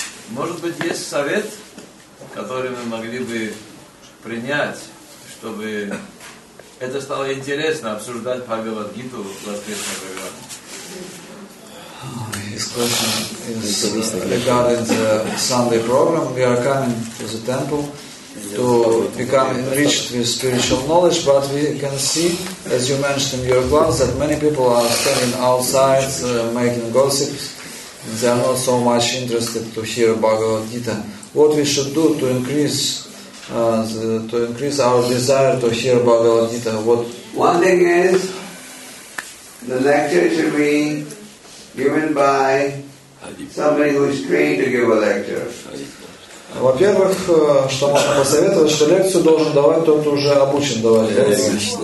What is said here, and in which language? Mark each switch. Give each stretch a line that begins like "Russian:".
Russian: Может быть, есть совет, который мы могли бы принять, чтобы это стало интересно обсуждать Бхагавад-гиту в воскресной программе?
English: His question is regarding the Sunday program. We are coming to the temple to become enriched with spiritual knowledge, but we can see, as you mentioned in your class, that many people are standing outside making gossips. They are not so much interested to hear Bhagavad Gita. What we should do to increase our desire to hear Bhagavad Gita? What? One thing is, the lecture should be given by somebody who is trained to give a lecture.
Russian: Во-первых, что можно посоветовать, что лекцию должен давать тот, кто уже обучен давать лекцию.